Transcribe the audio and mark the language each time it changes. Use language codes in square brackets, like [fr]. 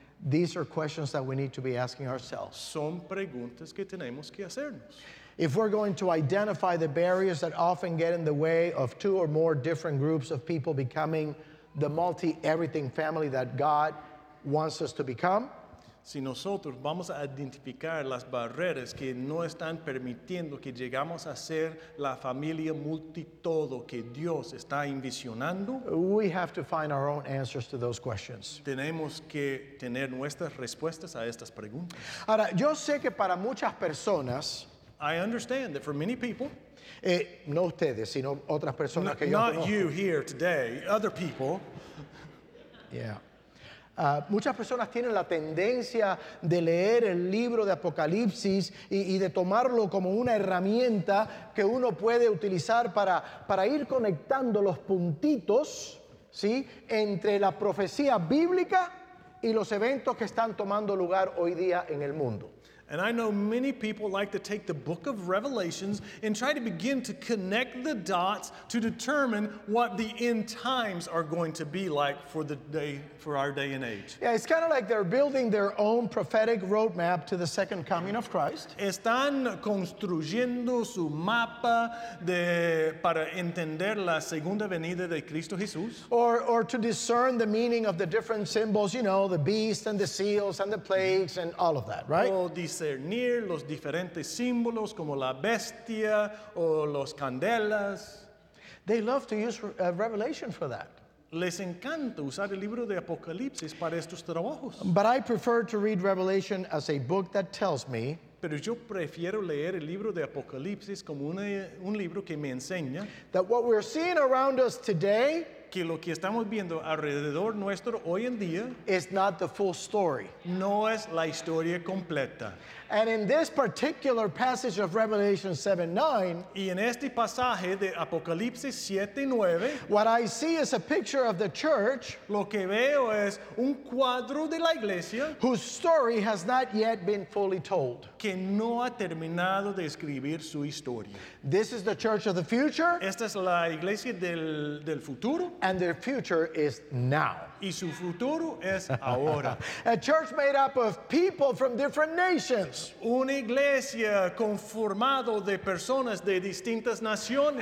[en] these are questions that we need to be asking ourselves. [es] Son preguntas que tenemos que hacernos. [en] If we're going to identify the barriers that often get in the way of two or more different groups of people becoming the multi-everything family that God wants us to become, [es] si nosotros vamos a identificar las barreras que no están permitiendo que llegamos a ser la familia multitodo que Dios está envisionando, [en] we have to find our own answers to those questions. [es] Tenemos que tener nuestras respuestas a estas preguntas. Ahora, yo sé que para muchas personas, [en] I understand that for many people, [es] no ustedes, sino otras personas que yo conozco. [en] Not you here today, other people. Yeah. [es] Muchas personas tienen la tendencia de leer el libro de Apocalipsis y de tomarlo como una herramienta que uno puede utilizar para ir conectando los puntitos, ¿sí?, entre la profecía bíblica y los eventos que están tomando lugar hoy día en el mundo. [en] And I know many people like to take the book of Revelations and try to begin to connect the dots to determine what the end times are going to be like for the day, for our day and age. Yeah, it's kind of like they're building their own prophetic roadmap to the second coming of Christ. [es] Están construyendo su mapa para entender la segunda venida de Cristo Jesús. [en] Or to discern the meaning of the different symbols, you know, the beast and the seals and the plagues and all of that, right? [es] Discernir los diferentes símbolos como la bestia o los candelas. [en] They love to use Revelation for that. [es] Les encanta usar el libro de Apocalipsis para estos trabajos. [en] But I prefer to read Revelation as a book that tells me, [es] pero yo prefiero leer el libro de Apocalipsis como un libro que me enseña, [en] that what we're seeing around us today, [es] que lo que estamos viendo alrededor nuestro hoy en día [en] is not the full story. [es] No es la historia completa. [en] And in this particular passage of Revelation 7:9, [es] y en este pasaje de Apocalipsis 7:9, [en] what I see is a picture of the church, [es] lo que veo es un cuadro de la iglesia, [en] whose story has not yet been fully told. [es] Que no ha terminado de escribir su historia. [en] This is the church of the future. [es] Esta es la iglesia del futuro. [en] And their future is now. [es] Y su futuro es ahora. [en] A church made up of people from different nations. [es] Una iglesia conformado de personas de distintas naciones.